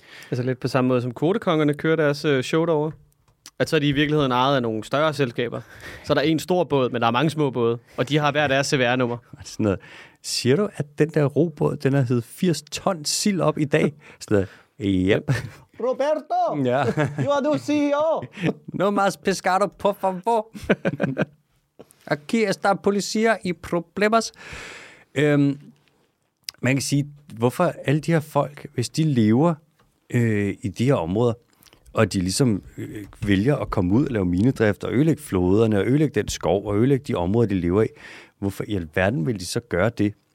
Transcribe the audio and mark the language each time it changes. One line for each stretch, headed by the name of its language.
Danish: Altså lidt på samme måde, som kvotekongerne kører deres show derovre? at så er de i virkeligheden ejet af nogle større selskaber. Så er der en stor båd, men der er mange små både, og de har hver deres CVR-nummer. Sådan noget. Siger du, at den der robåd, den har heddet 80 ton sild op i dag? Sådan noget. Yep.
English: Roberto, ja. You are the CEO.
Spanish: No más pescado, por favor. Aquí está policía y problemas.
Danish: Man kan sige, hvorfor alle de her folk, hvis de lever i de her områder, og de ligesom vælger at komme ud og lave minedrift og ødelægge floderne og ødelægge den skov og ødelægge de områder, de lever i, hvorfor i alverden vil de så gøre det?